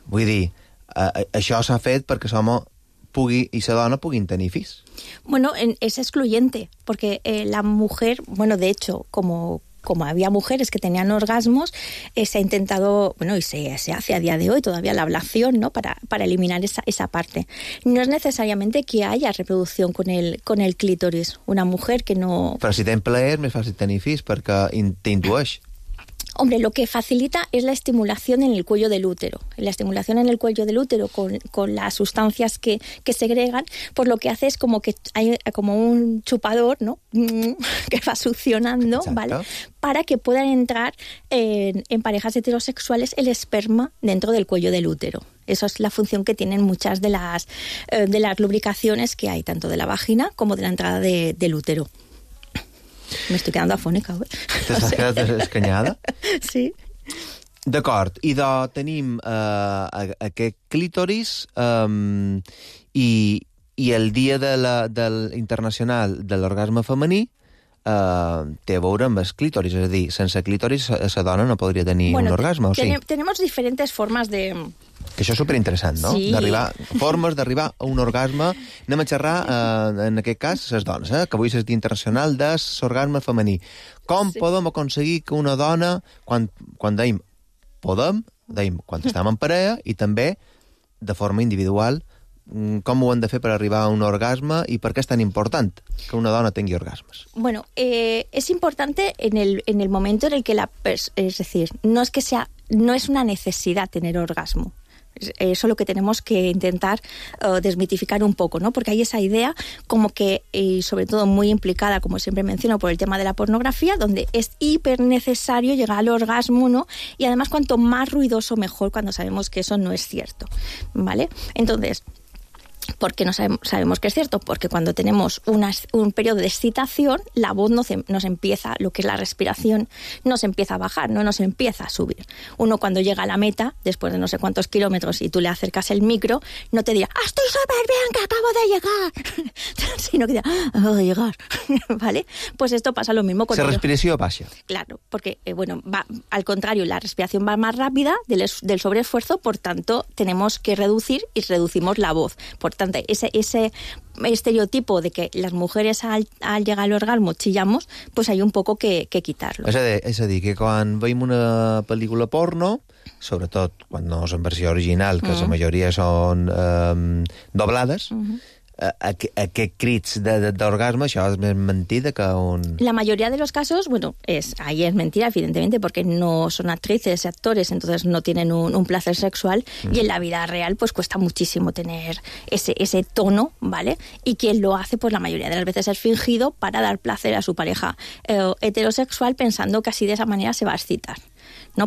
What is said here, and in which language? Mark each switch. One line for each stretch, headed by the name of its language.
Catalan: Vull dir, això s'ha fet perquè l'home pugui i la dona puguin tenir fills.
Spanish: Bueno, és excluyente, perquè la mujer, bueno, de hecho, como había mujeres que tenían orgasmos, se ha intentado, bueno, y se hace a día de hoy todavía la ablación, ¿no?, para eliminar esa parte. No es necesariamente que haya reproducción con el clítoris. Una mujer que no...
Catalan: Però si ten plaer, més fàcil tenir fills, perquè t'intueix.
Spanish: Hombre, lo que facilita es la estimulación en el cuello del útero. La estimulación en el cuello del útero con las sustancias que segregan, pues lo que hace es como que hay como un chupador, ¿no?, que va succionando, exacto, ¿vale?, para que puedan entrar en parejas heterosexuales el esperma dentro del cuello del útero. Esa es la función que tienen muchas de las lubricaciones que hay, tanto de la vagina como de la entrada del útero. Me estoy quedando afónica, ¿eh? ¿Te has quedado escanyada? Sí.
Catalan: D'acord, idò tenim aquest clítoris i el dia del internacional de l'orgasme femení té a veure amb el clítoris, és a dir, sense clítoris la dona no podria tenir bueno, un orgasme, o sí?
Spanish: Tenemos diferentes formas de...
Catalan: Que això és superinteressant, no? Sí. Formes d'arribar a un orgasme. Anem a xerrar, en aquest cas, les dones, que avui és internacional de l'orgasme femení. Com sí. podem aconseguir que una dona, quan deim podem, deim quan estem en parella, i també de forma individual, com ho han de fer per arribar a un orgasme i per què és tan important que una dona tingui orgasmes? Bueno, és important en el moment en el que la... És a dir, no és que sea...
Spanish: No es una necesidad tener orgasmo. Eso es lo que tenemos que intentar desmitificar un poco, ¿no? Porque hay esa idea como que, sobre todo muy implicada, como siempre menciono, por el tema de la pornografía, donde es hiper necesario llegar al orgasmo, ¿no? Y además, cuanto más ruidoso, mejor, cuando sabemos que eso no es cierto, ¿vale? Entonces... ¿Por qué no sabemos que es cierto? Porque cuando tenemos un periodo de excitación, la voz nos empieza, lo que es la respiración, nos empieza a bajar, no nos empieza a subir. Uno cuando llega a la meta, después de no sé cuántos kilómetros, y tú le acercas el micro, no te dirá, ¡ah, estoy súper bien, que acabo de llegar! Sino que dirá, acabo de llegar, ¿vale? Pues esto pasa lo mismo con... Se respiración baja. Claro, porque, bueno, va, al contrario, la respiración va más rápida del sobreesfuerzo, por tanto, tenemos que reducir y reducimos la voz. Por tanto, ese estereotipo de que las mujeres al llegar al orgasmo chillamos, pues hay un poco que quitarlo.
Catalan: És a dir, que quan veiem una pel·lícula porno, sobretot quan no és en versió original, que la majoria són doblades, aquests crits d'orgasme, això és més mentida que un...
Spanish: La majoria de los casos, bueno, ahí es mentira, evidentemente, porque no son actrices y actores, entonces no tienen un placer sexual, y en la vida real pues cuesta muchísimo tener ese tono, ¿vale? Y quien lo hace, pues la mayoría de las veces es fingido para dar placer a su pareja heterosexual, pensando que así de esa manera se va a excitar, ¿no?